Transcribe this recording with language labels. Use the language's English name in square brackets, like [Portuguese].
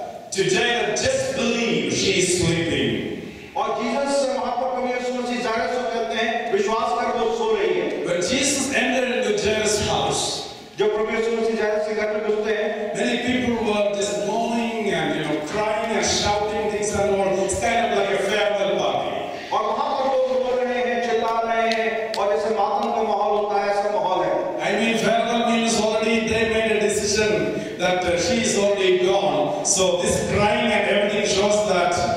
[English] Today, I just believe she is sleeping. [Hindi] और Jesus से वहाँ पर कभी यीशु मसीह जाने से कहते हैं, विश्वास कर वो सो रही है। [English] When Jesus entered into Jairus' house, [Hindi] जब प्रभु यीशु मसीह जाने से घर में घुसते हैं, [English] many people were just mourning and you know crying and shouting things and all, stand up like a farewell party. [Hindi] और वहाँ पर लोग रो रहे हैं, चिल्ला रहे हैं, और जैसे मातम का माहौल होता है, ऐसा माहौल है। [English] I mean, farewell means already they made a decision that she is already gone. So this crying and everything shows that.